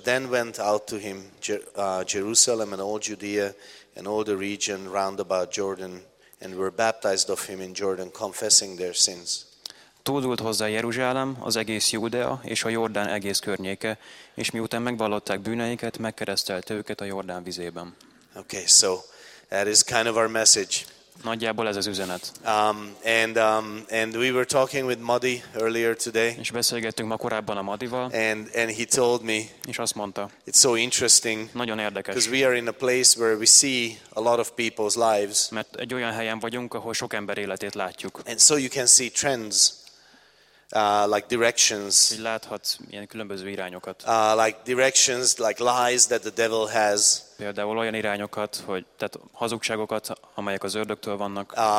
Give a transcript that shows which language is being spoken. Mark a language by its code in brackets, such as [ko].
[en] Then went out to him Jerusalem and all Judea and all the region round about Jordan and were baptized of him in Jordan, confessing their sins. [hu] Tódult hozzá Jeruzsálem, az egész Júdea és a Jordán egész környéke, és miután megvallották bűneiket, megkeresztelt őket a Jordán vizében. [en] Okay, so that is kind of our message. [hu] Nagyjából ez az üzenet. [en] And we were talking with Madi earlier today. [hu] És beszélgettünk ma korábban a Madival. [en] And he told me. [hu] És azt mondta. [en] It's so interesting. [hu] Nagyon érdekes. [en] Because we are in a place where we see a lot of people's lives. [hu] Mert egy olyan helyen vagyunk, ahol sok ember életét látjuk. [en] And so you can see trends. Like directions. [hu] Így láthatsz ilyen különböző irányokat. [en] Like directions, like lies that the devil has. [hu] Például olyan irányokat, hogy tehát hazugságokat, amelyek az ördögtől vannak.